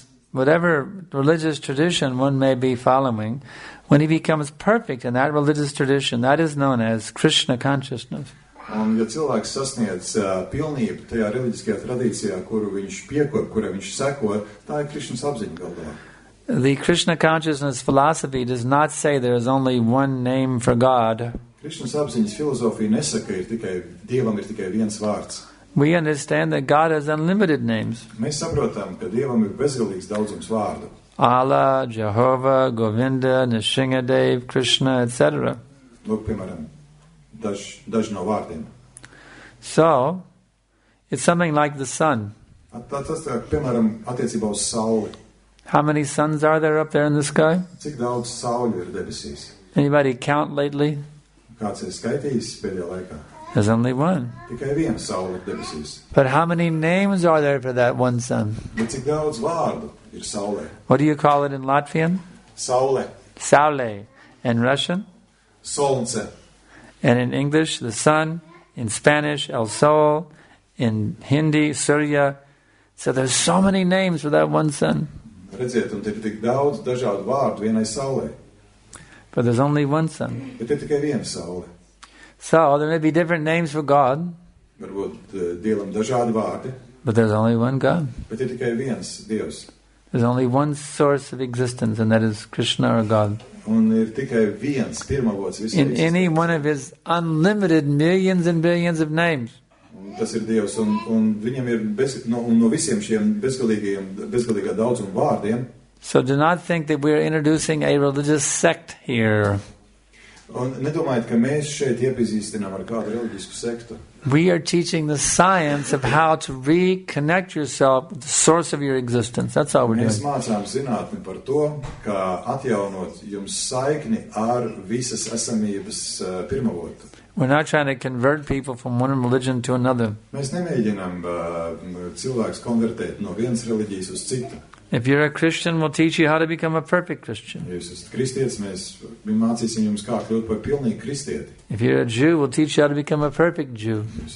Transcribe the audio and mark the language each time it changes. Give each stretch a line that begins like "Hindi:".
English: Whatever religious tradition one may be following, when he becomes perfect in that religious tradition, that is known as Krishna consciousness.
Latvian: Un, ja cilvēks sasniedz pilnību tajā reliģiskajā tradīcijā, kuru viņš piekop, kurai viņš seko, tā ir Krishnas apziņa galvā.
English: The Krishna consciousness philosophy does not say there is only one name for God.
Latvian: Krishnas apziņas filozofija nesaka, Dievam ir tikai viens vārds.
English: We understand that God has unlimited names.
Latvian: Mēs saprotam, ka Dievam ir bezgalīgs daudzums vārdu.
English: Allah, Jehovah, Govinda, Nrisimhadev, Krishna, etc.
Latvian: Lūk, piemēram, daži no vārdiem.
English: So, it's something like the sun.
Latvian: Tas, piemēram, attiecībā uz sauli.
English: How many suns are there up there in the sky?
Latvian: Cik daudz sauļu ir debesīs?
English: Anybody count lately?
Latvian: Kāds ir skaitījis pēdējā laikā?
English: There's only one.
Latvian: Tikai viena saule debesīs.
English: But how many names are there for that one sun?
Latvian: Bet cik daudz vārdu ir saulē?
English: What do you call it in Latvian?
Latvian: Saule.
English: Saule. In Russian?
Russian: Solnce.
English: And in English, the sun. In Spanish, el sol. In Hindi, surya. So there's so many names for that one sun.
Latvian: Redziet, un te ir tik daudz dažādu vārdu vienai saulē.
English: But there's only one sun.
Latvian: Bet te tikai viena saule.
English: So, there may be different names for God.
Latvian: Varbūt Dievam dažādi vārdi.
English: But there's only one God.
Latvian: Bet ir tikai viens Dievs.
English: There's only one source of existence, and that is Krishna or God.
Latvian: Un ir tikai viens pirmavots visai
English: In any one of his unlimited millions and billions of names.
Latvian: Un tas ir Dievs, un viņam ir no visiem šiem bezgalīgā daudzuma vārdiem.
English: So do not think that we are introducing a religious sect here.
Latvian: Un nedomājiet, ka mēs šeit iepazīstinām ar kādu reliģisku sektu.
English: We are teaching the science of how to reconnect yourself with the source of your existence. That's all we're doing.
Latvian: Mēs mācām zinātni par to, kā atjaunot jums saikni ar visas esamības pirmavotu.
English: We're not trying to convert people from one religion to another.
Latvian: Mēs nemēģinām cilvēks konvertēt no vienas reliģijas uz citu.
English: If you're a Christian, we'll teach you how to become a perfect Christian. If you're a Jew, we'll teach you how to become a perfect Jew.